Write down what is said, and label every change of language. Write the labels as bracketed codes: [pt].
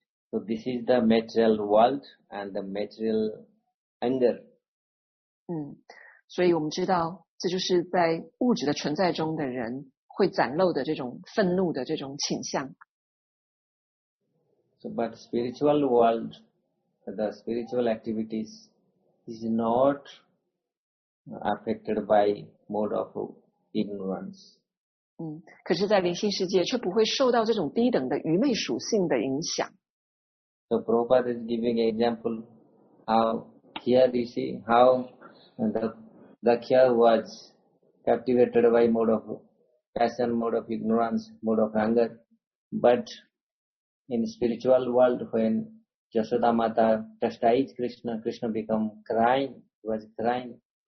[en] So this is the material world and the material anger. [zh] 所以我们知道。这就是在物质的存在中的人会展露的这种愤怒的这种倾向。 [en] So, but spiritual world, the spiritual activities is not affected by mode of ignorance. [zh] 可是在灵性世界却不会受到这种低等的愚昧属性的影响。 [en] So, Prabhupada is giving an example how here you see how Daksha was captivated by mode of passion, mode of ignorance, mode of anger. But in spiritual world, when Yashoda Mata chastised Krishna, Krishna became crying, was crying.